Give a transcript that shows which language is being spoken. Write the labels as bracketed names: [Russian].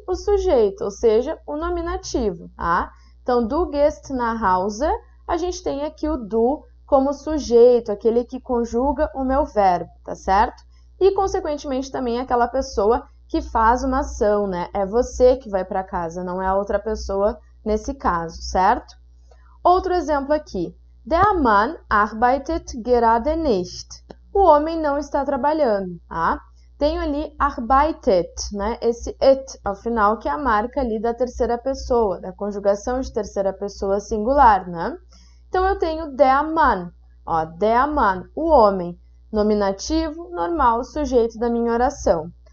[Portuguese] O sujeito, ou seja, o nominativo, tá? Então, [German] du gehst nach Hause, [Portuguese] a gente tem aqui o du como sujeito, aquele que conjuga o meu verbo, tá certo? E, consequentemente, também aquela pessoa que faz uma ação, né? É você que vai para casa, não é a outra pessoa nesse caso, certo? Outro exemplo aqui. [German] Der Mann arbeitet gerade nicht. [Portuguese] O homem não está trabalhando, tá? Tenho ali arbeitet, né? Esse et, ao final, que é a marca ali da terceira pessoa, da conjugação de terceira pessoa singular, né? Então, eu tenho der Mann, ó, der Mann, o homem, nominativo, normal, sujeito da minha oração.